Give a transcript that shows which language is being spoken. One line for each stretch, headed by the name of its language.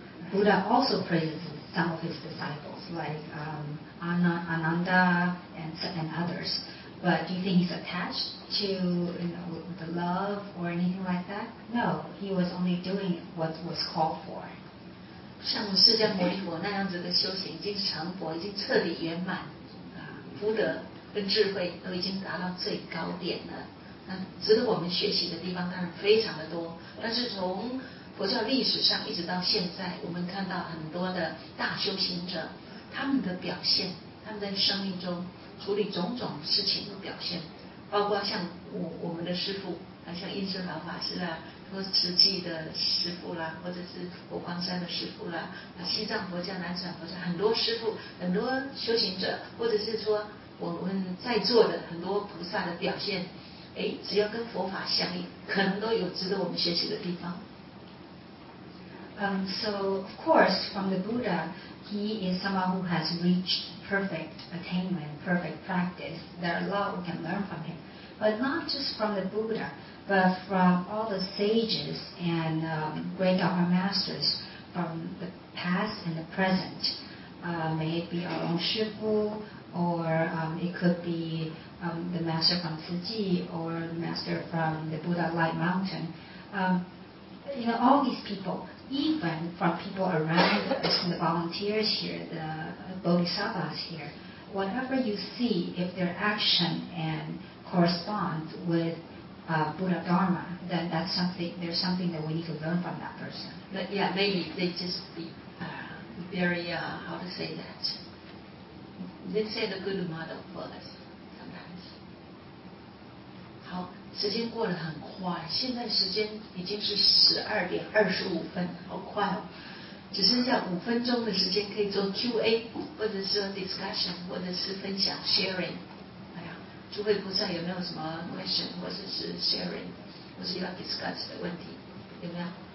English: Buddha also praises some of his disciples, like Ananda and others. But do you think he's attached to, you know, the love or anything like that? No, he was only doing what was called for.
Chinese: 像释迦牟尼佛那样子的修行已经成佛，已经彻底圆满，福德跟智慧都已经达到最高点了。那值得我们学习的地方当然非常的多，但是从佛教历史上一直到现在，我们看到很多的大修行者，他们的表现，他们在生命中处理种种事情的表现，包括像我们的师父，像印顺老法师啦，或慈济的师父啦，或者是佛光山的师父啦，西藏佛教、南传佛教，很多师父、很多修行者，或者是说我们在座的很多菩萨的表现，哎，只要跟佛法相应，可能都有值得我们学习的地方。
English: So of course, from the Buddha, he is someone who has reached. Perfect attainment, perfect practice. There are a lot we can learn from him. But not just from the Buddha, but from all the sages and great Dharma masters from the past and the present. May it be our own Shifu, or it could be the master from Siji, or the master from the Buddha Light Mountain. You know, all these people. Even from people around us, the volunteers here, the bodhisattvas here, whatever you see, if their action and corresponds with Buddha Dharma, then that's something, there's something that we need to learn from that person. But yeah, maybe they just be very, how to say that? They set the good model for us sometimes.
Chinese: 好，时间过得很快，现在时间已经是12:25，好快哦！只剩下五分钟的时间可以做 Q&A， 或者是 discussion， 或者是分享 sharing。哎呀，诸位菩萨有没有什么 question， 或者是 sharing， 或者要 discuss 的问题？有没有